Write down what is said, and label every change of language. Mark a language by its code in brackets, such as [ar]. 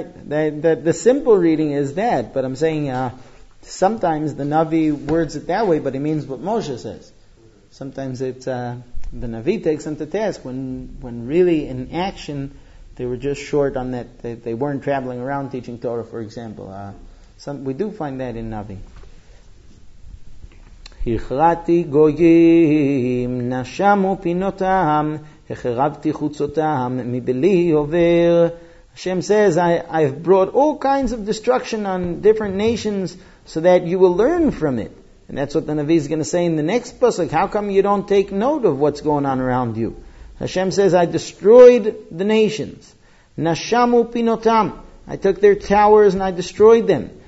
[en] The simple reading is that, but I'm saying sometimes the Navi words it that way, but it means what Moshe says. Sometimes it's the Navi takes them to task when really in action they were just short on that. They weren't traveling around teaching Torah, for example. We do find that in Navi. [he] הכרעתי גויים, נשמו פינותם, החרבתי חוצותם, מבלי עובר. [en] Hashem says, I've brought all kinds of destruction on different nations so that you will learn from it. And that's what the Navi is going to say in the next pasuk. How come you don't take note of what's going on around you? Hashem says, I destroyed the nations. [he] נשמו פינותם, [en] I took their towers and I destroyed them.